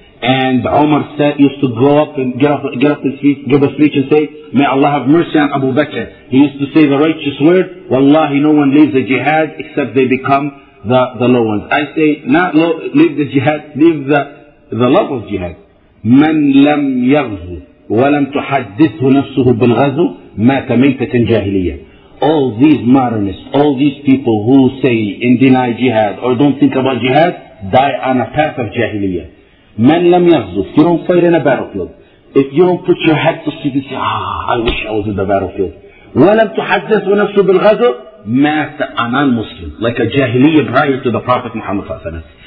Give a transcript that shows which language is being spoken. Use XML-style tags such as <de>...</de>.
<en>And Umar said, used to go up and give a speech and say, may Allah have mercy on Abu Bakr. He used to say the righteous word, Wallahi, no one leaves the jihad except they become the low ones. I say, not low, leave the jihad, leave the love of jihad.</en> <ar>من لم يغزو ولم تحدثه نفسه بالغزو مات ميتة جاهلية.</ar> <en>All these modernists, all these people who say and deny jihad or don't think about jihad, die on a path of jahiliya.</en> <ar>من لم يغزو,</ar> <en>if you don't fight in a battlefield, if you don't put your head to sleep and say, I wish I was in the battlefield.</en> <ar>ولم تحدثه نفسه بالغزو مات</ar> <en>a non-Muslim, like a jahiliya prior to the Prophet Muhammad صلى الله عليه وسلم.</en>